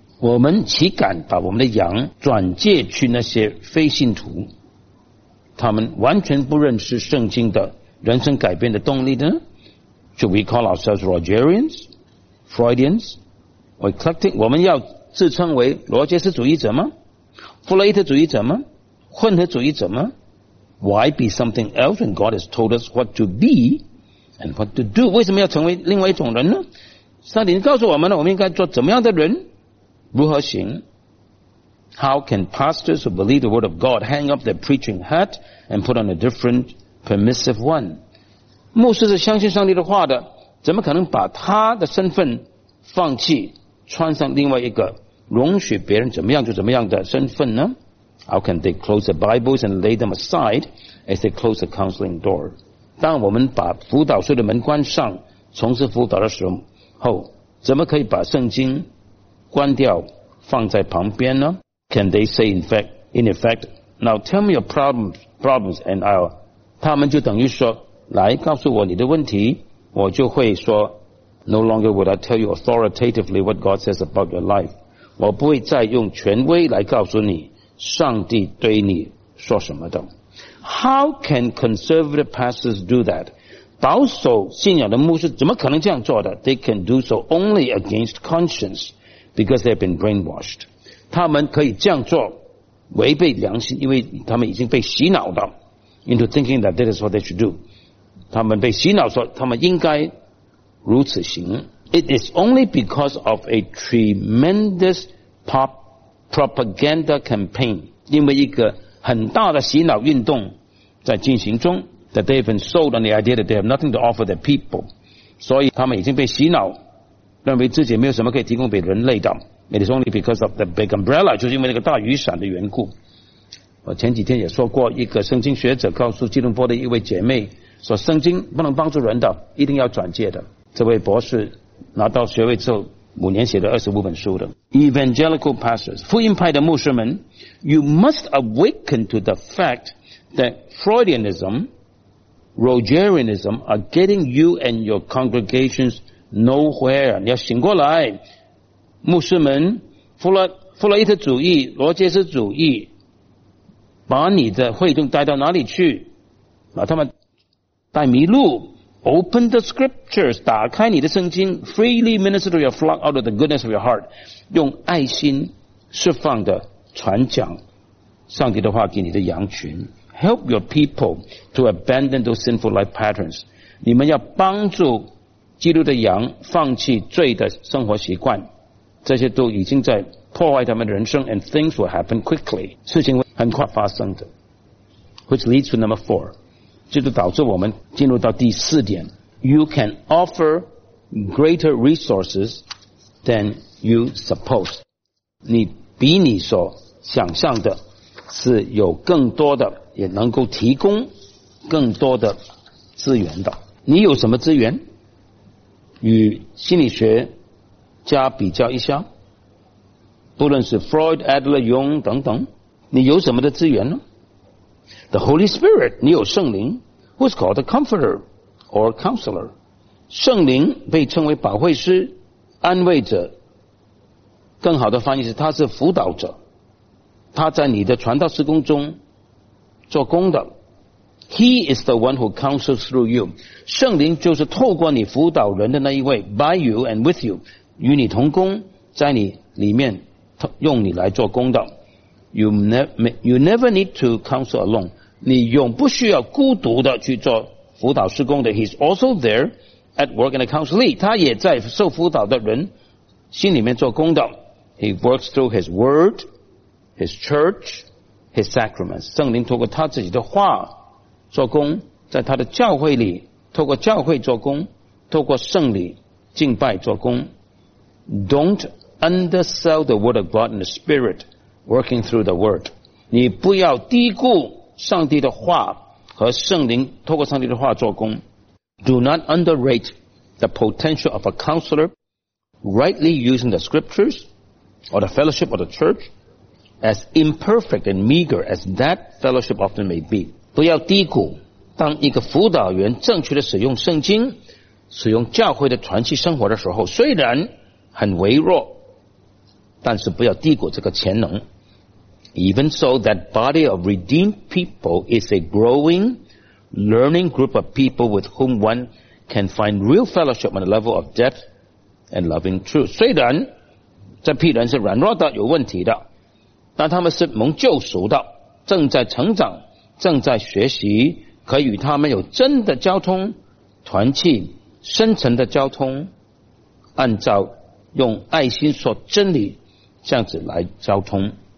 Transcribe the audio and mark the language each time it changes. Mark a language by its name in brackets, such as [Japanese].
[Chinese] 我们岂敢把我们的羊转借去那些非信徒，他们完全不认识圣经的人生改变的动力呢？ [English] Should we call ourselves Rogerians, Freudians, or eclectic？ [Chinese] 我们要自称为罗杰斯主义者吗？弗洛伊德主义者吗？混合主义者吗？ [English] Why be something else when God has told us what to be？ And what to do， [Chinese] 为什么要成为另外一种人呢？上帝告诉我们了，我们应该做怎么样的人，如何行。 [English] How can pastors who believe the word of God hang up their preaching hat and put on a different permissive one？ [Chinese] 牧师是相信上帝的话的，怎么可能把他的身份放弃穿上另外一个容许别人怎么样就怎么样的身份呢？ [English] How can they close the Bibles and lay them aside as they close the counseling door? [Chinese] 当我们把辅导室的门关上从事辅导的时候，怎么可以把圣经关掉放在旁边呢？ [English] Can they say in effect, now tell me your problems and I'll, [Chinese] 他们就等于说来告诉我你的问题，我就会说 [English] No longer would I tell you authoritatively what God says about your life. [Chinese] 我不会再用权威来告诉你上帝对你说什么的。 [English] How can conservative pastors do that? [Chinese] 保守信仰的牧师怎么可能这样做的？ [English] They can do so only against conscience because they've been brainwashed. [Chinese] 他们可以这样做违背良心，因为他们已经被洗脑了 [English] into thinking that this is what they should do. [Chinese] 他们被洗脑说他们应该如此行。 [English] It is only because of a tremendous propaganda campaign, [Chinese] 因为一个很大的洗脑运动在进行中 [English] that they have been sold on the idea that they have nothing to offer the people. [Chinese] 所以他们已经被洗脑，认为自己没有什么可以提供给人类的。 [English] It is only because of the big umbrella, [Chinese] 就是因为那个大雨伞的缘故。我前几天也说过，一个圣经学者告诉基隆坡的一位姐妹说，圣经不能帮助人的，一定要转介的。这位博士拿到学位之后，五年写了25本书的。 [English] Evangelical pastors, [Chinese] 福音派的牧师们， [English] you must awaken to the fact that Freudianism, Rogerianism are getting you and your congregations nowhere. [Chinese] 你要醒过来。牧师们，弗洛伊特主义、罗杰斯主义，把你的会众带到哪里去？把他们带迷路。 [English] Open the scriptures, [Chinese] 打开你的圣经。 [English] Freely minister to your flock out of the goodness of your heart, [Chinese] 用爱心释放的传讲上帝的话给你的羊群。 [English] Help your people to abandon those sinful life patterns. [Chinese] 你们要帮助基督的羊放弃罪的生活习惯。这些都已经在破坏他们的人生 [English] and things will happen quickly. [Chinese] 事情会很快发生的。 [English] Which leads to number four. [Chinese] 这就导致我们进入到第四点。 [English] You can offer greater resources than you suppose. [Chinese] 你比你所想象的是有更多的，也能够提供更多的资源的。你有什么资源？与心理学加比较一下，不论是 Freud, Adler, Jung 等等，你有什么的资源呢？ [English] The Holy Spirit, [Chinese] 你有圣灵， [English] who is called the Comforter or Counselor. [Chinese] 圣灵被称为保惠师、安慰者，更好的翻译是他是辅导者，他在你的传道施工中做工的。 [English] He is the one who counsels through you. [Chinese] 圣灵就是透过你辅导人的那一位， [English] by you and with you. [Chinese] 与你同工，在你里面用你来做工的。 [English] You never need to counsel alone. [Chinese] 你永不需要孤独的去做辅导施工的。 [English] He's also there at work in the counselee. [Chinese] 他也在受辅导的人心里面做工的。 [English] He works through his word, his church, his sacraments. [Chinese] 圣灵透过他自己的话做工，在他的教会里透过教会做工，透过圣礼敬拜做工。 [English] Don't undersell the word of God and the spirit working through the word. [Chinese] 你不要低估上帝的话和圣灵透过上帝的话做工。 [English] Do not underrate the potential of a counselor rightly using the scriptures or the fellowship of the church as imperfect and meager as that fellowship often may be. [Chinese] 不要低估当一个辅导员正确的使用圣经，使用教会的团契生活的时候，虽然很微弱，但是不要低估这个潜能。 [English] Even so, that body of redeemed people is a growing, learning group of people with whom one can find real fellowship on the level of depth and loving truth. [Chinese] 虽然这批人是软弱的、有问题的，但他们是蒙救赎的，正在成长，正在学习，可与他们有真的交通、团契、深层的交通，按照用爱心说真理，这样子来交通。